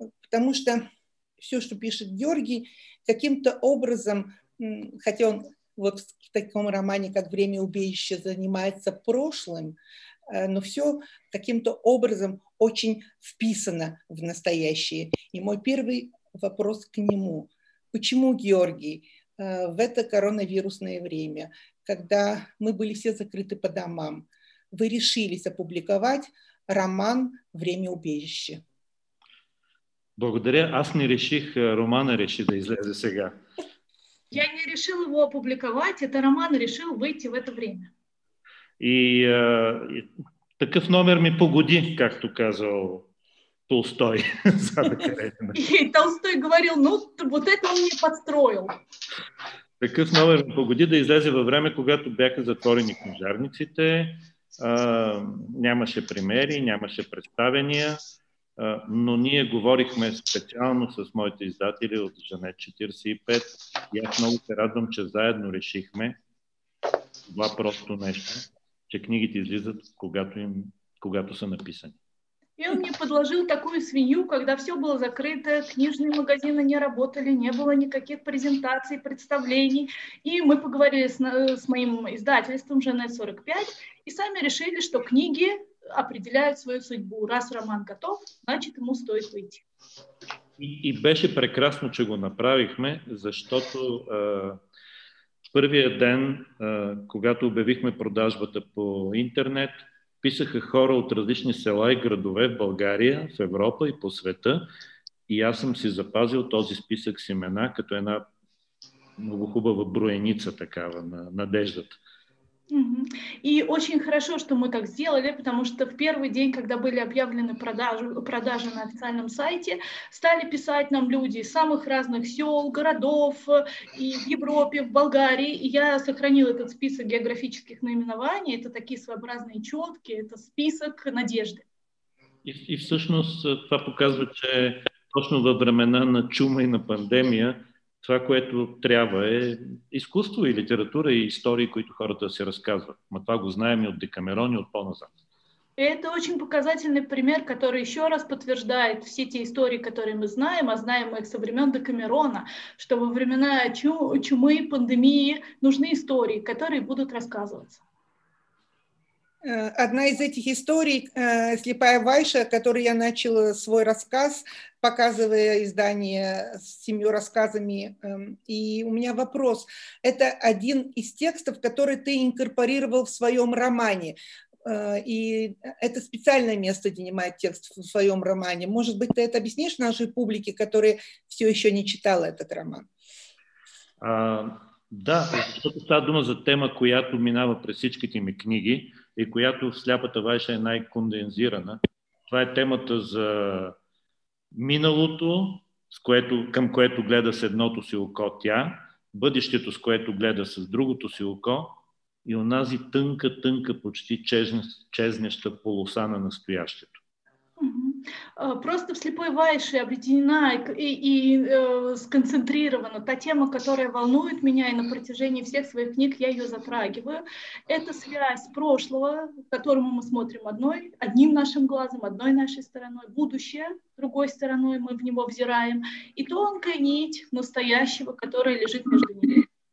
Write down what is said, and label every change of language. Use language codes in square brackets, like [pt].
[ru] потому что все, что пишет Георгий, каким-то образом, хотя он вот в таком романе, как «Время убежища», занимается прошлым, но все каким-то образом очень вписано в настоящее. И мой первый вопрос к нему. Почему, Георгий, в это коронавирусное время, когда мы были все закрыты по домам, вы решились опубликовать роман «Время убежища»? [bg] Благодаря, аз не реших романа решить, да излезе сега. [ru] Я не решил его опубликовать, это роман решил выйти в это время. [bg] И таков номер ми погоди, [ru] как ты сказал Толстой. И Толстой говорил, ну вот это он не подстроил. [bg] Такъв номер ми погоди да излезе во время, когато бяха затворени книжарниците, нямаше примери, нямаше представения. Но ние говорихме специално с моите издатели от Жанет 45 и аз много се радвам, че заедно решихме това просто нещо, че книгите излизат, когато са написани. [ru] И он мне подложил такую свинью, когда все было закрыто, книжные магазины не работали, не было никаких презентаций, представлений. И мы поговорили с моим издательством Жанет 45 и сами решили, что книги определяют свою судьбу. Раз роман готов, значит, ему стоит выйти. [bg] И беше прекрасно, че го направихме, защото първия ден, когато обявихме продажбата по интернет, писаха хора от различни села и градове в България, в Европа и по света. И аз съм си запазил този списък с имена, като една много хубава броеница такава на надеждата. [ru] И очень хорошо, что мы так сделали, потому что в первый день, когда были объявлены продажи на официальном сайте, стали писать нам люди из самых разных сел, городов, и в Европе, в Болгарии. И я сохранила этот список географических наименований. Это такие своеобразные четки, это список надежды. И в сущности, это показывает, что [bg] точно во времена на чума и на пандемия това, което трябва, е изкуство и литература и истории, които хората си разказват. Но това го знаем и от Декамерон, и от по-назад. [ru] Это очень показательный пример, который еще раз подтверждает все те истории, которые мы знаем, а знаем их со времен Декамерона, что во времена чумы, пандемии нужны истории, которые будут рассказываться. Одна из этих историй «Слепая Вайша», о которой я начала свой рассказ, показывая издание с семью рассказами. И у меня вопрос. Это один из текстов, который ты инкорпорировал в своем романе. И это специальное место занимает текст в своем романе. Может быть, ты это объяснишь нашей публике, которая все еще не читала этот роман? [bg] Да, защото става дума за тема, която минава през всичките ми книги и която в «Сляпата Вайша» е най-кондензирана. Това е темата за миналото, към което гледа с едното си око тя, бъдещето, с което гледа с другото си око и онази тънка, почти чезнеща полоса на настоящето. [ru] Просто в «Слепой Вайше» объединена и сконцентрирована та тема, которая волнует меня, и на протяжении всех своих книг я ее затрагиваю. Это связь прошлого, которому мы смотрим одним нашим глазом, одной нашей стороной, будущее другой стороной мы в него взираем, и тонкая нить настоящего, которая лежит между ними.